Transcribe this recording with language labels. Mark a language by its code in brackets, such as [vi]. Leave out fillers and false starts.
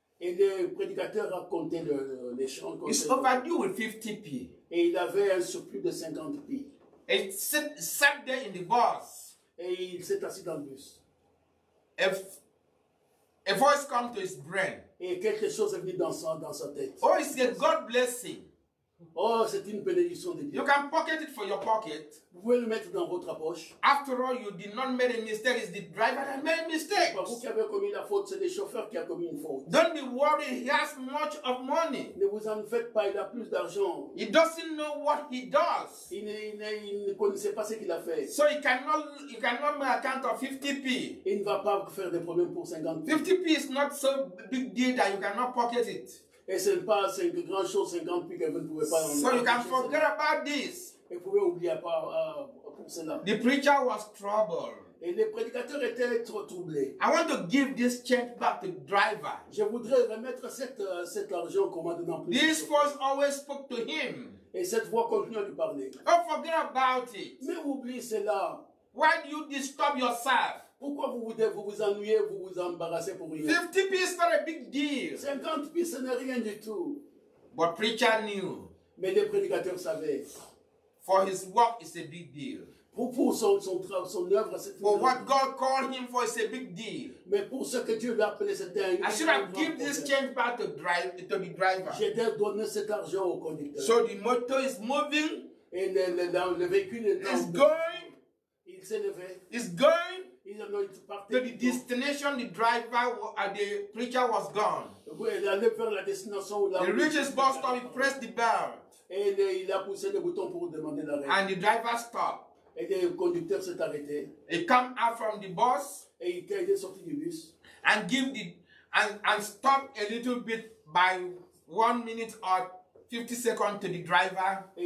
[fr] Et le prédicateur a compté le change. [en] It's overdue with 50p. [fr] Et il avait un surplus de 50p. [en] And sat there in the bus. [fr] Et il s'est assis dans le bus. [en] A voice came to his brain. [fr] Et quelque chose est venu dans sa tête. [en] Oh, it's a God blessing. [fr] Oh, c'est une bénédiction de Dieu. [en] You can pocket it for your pocket. [fr] Vous pouvez le mettre dans votre poche. [en] After all, you did not make a mistake. It's the driver that made a mistake. [fr] Parce que vous avez commis la faute, c'est le chauffeur qui a commis une faute. [en] Don't be worried. He has much of money. [fr] Ne vous en faites pas. Il a plus d'argent. [en] He doesn't know what he does. [fr] Il ne connaissait pas ce qu'il a fait. [en] So he cannot make account of 50p. [fr] Il ne va pas faire des problèmes pour 50p. [en] 50p is not so big deal that you cannot pocket it. [fr] Et ce n'est pas une grande chose, 50 pieds que vous ne pouvez pas enlever. [en] So you can forget about this. [fr] Et vous pouvez oublier pas pour cela. [en] The preacher was troubled. [fr] Et le prédicateur était trop troublé. [en] I want to give this check back to the driver. [fr] Je voudrais remettre cet argent qu'on m'a donné en plus. [en] This voice always spoke to him. [fr] Et cette voix continue à lui parler. [en] Oh, forget about it. [fr] Mais oublie cela. [en] Why do you disturb yourself? [fr] Pourquoi vous ennuyez, vous vous embarrassez pour rien? [en] 50 pieces not a big deal. [fr] 50 pieces ce n'est rien du tout. [en] But preacher knew. [fr] Mais le prédicateur savait. [en] For his work is a big deal. [fr] Pour son œuvre, c'est [en] for what God called him for is a big deal. [fr] Mais pour ce que Dieu l'a appelé, c'est un. [en] I should have given this change back to the driver. [fr] J'ai dû donner cet argent au conducteur. [en] So the motor is moving. [fr] Et le véhicule est [en] it's going. [fr] Il s'est levé. [en] It's going. To the destination, the driver, the preacher was gone. He reached his bus stop, he pressed the bell. [fr] Et il a poussé le bouton pour demander l'arrêt. [en] And the driver stopped. [fr] Et le conducteur s'est arrêté. [en] He came out from the bus. [fr] Et il est sorti du bus. [en] and give the and stop a little bit by 1 minute or 50 seconds to the driver.